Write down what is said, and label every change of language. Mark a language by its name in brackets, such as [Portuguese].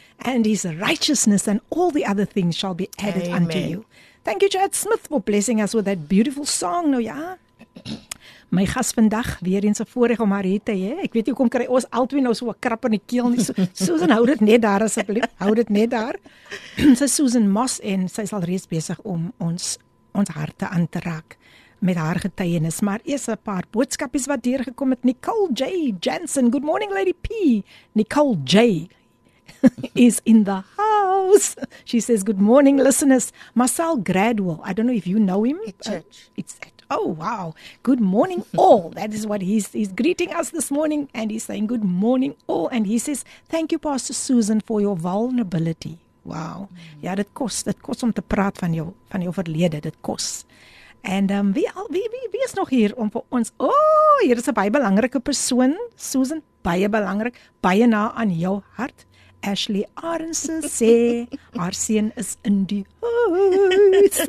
[English] And his righteousness and all the other things shall be added Amen. Unto you. Thank you, Chad Smith, for blessing us with that beautiful song. [Afrikaans] Nou ja, my gas vandag, weer eens 'n voorreg om haar hier te hê. Ek weet nie, kom kry ons al twee nou so 'n krap in die keel nie. Susan, hou dit net daar asseblief. Hou dit net daar. Sy Susan Moss en sy is al reeds besig om ons harte aan te raak. met haar getuienis. Maar eers 'n paar boodskapies wat deurgekom het. [English] Nicole J. Jansen. Good morning, Lady P. Nicole J. is in the house. She says, good morning, listeners. Marcel Gradwell. I don't know if you know him. At church. It's at. Oh, wow. Good morning, all. That is what he's greeting us this morning. And he's saying, good morning, all. And he says, thank you, Pastor Susan, for your vulnerability. [Afrikaans] Wow. Mm-hmm. Ja, dit kos om te praat van jou verlede. Dit kos. And wie is nog hier om vir ons? Oh, hier is 'n baie belangrike persoon, Susan. Baie belangrik. Baie na aan jou hart. Ashley Arendse sê, haar seun is in die huis.